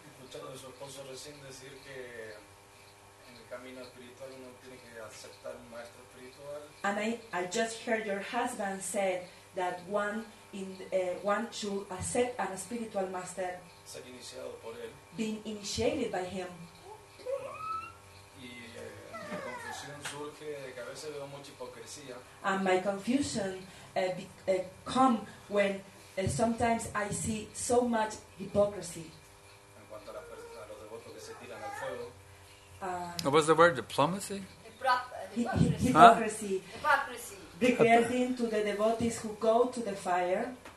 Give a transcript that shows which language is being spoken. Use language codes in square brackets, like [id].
[es] Escuchando de su esposo recién decir que en el camino espiritual uno tiene que aceptar un maestro espiritual. [en] And I just heard your husband said that one should accept a spiritual master. [es] Ser iniciado por él. [en] Being initiated by him. [es] Y mi confusión surge de que a veces veo mucha hipocresía. [en] And my confusion come when sometimes I see so much hypocrisy. [es] En cuanto a los devotos que se tiran al fuego. [en] What was the word? Diplomacy? Hypocrisy. Regarding to the devotees who go to the fire.